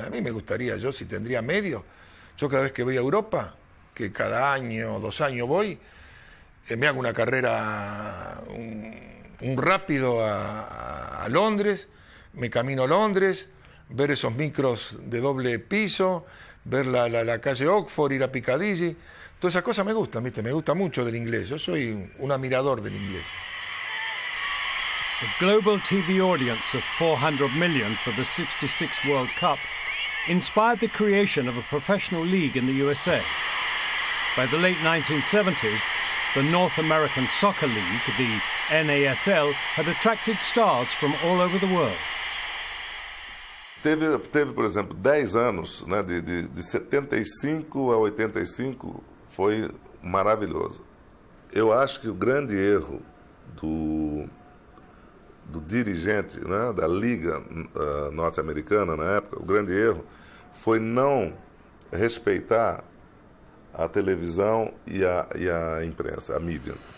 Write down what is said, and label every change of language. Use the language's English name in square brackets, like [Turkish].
[Spanish] A mí me gustaría, yo si tendría medio, yo cada vez que voy a Europa, que cada año, dos años voy, me hago una carrera, un, un rápido a Londres, me camino a Londres, ver esos micros de doble piso, ver la calle Oxford, ir a Piccadilly. Todas esas cosas me gustan, ¿viste? Me gusta mucho del inglés. Yo soy un admirador del inglés. [English] The global TV audience of 400 million for the 66 World Cup inspired the creation of a professional league in the USA. By the late 1970s, the North American Soccer League, the NASL, had attracted stars from all over the world. [Portuguese] Teve, por exemplo, 10 anos, né, de 75 a 85, foi maravilhoso. Eu acho que o grande erro do dirigente, né, da Liga Norte-Americana na época, o grande erro foi não respeitar a televisão e a imprensa, a mídia.